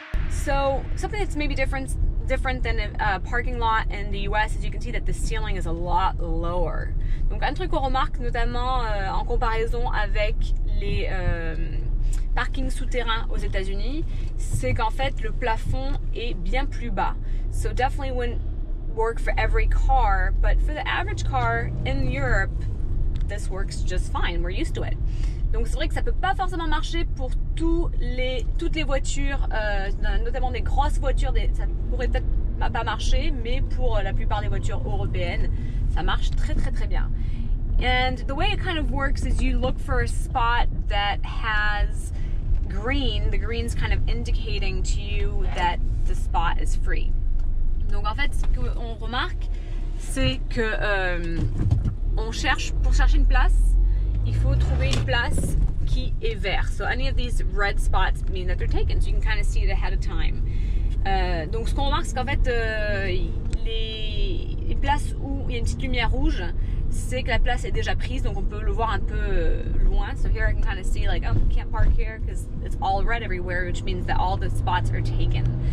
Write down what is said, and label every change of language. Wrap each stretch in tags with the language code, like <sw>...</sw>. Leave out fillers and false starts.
<en>So something that's maybe different than a parking lot in the US is you can see that the ceiling is a lot lower.</en> <fr>Donc un truc qu'on remarque notamment en comparaison avec les parkings souterrains aux États-Unis, c'est qu'en fait le plafond est bien plus bas.</fr> <en>So definitely wouldn't work for every car, but for the average car in Europe, this works just fine. We're used to it.</en> <fr>Donc c'est vrai que ça peut pas forcément marcher pour toutes les voitures, notamment des grosses voitures, ça pourrait peut-être pas marcher, mais pour la plupart des voitures européennes, ça marche très très très bien.</fr> <en>And the way it kind of works is you look for a spot that has green. The green's kind of indicating to you that the spot is free.</en> <fr>Donc en fait, ce qu'on remarque, c'est que pour chercher une place, il faut trouver une place qui est verte.</fr> <en>So any of these red spots mean that they're taken. So you can kind of see it ahead of time.</en> <fr>Donc ce qu'on remarque, c'est qu'en fait, les places où il y a une petite lumière rouge, c'est que la place est déjà prise, donc on peut le voir un peu loin.</fr> <en>So here I can kind of see like, oh, I can't park here because it's all red everywhere, which means that all the spots are taken.</en>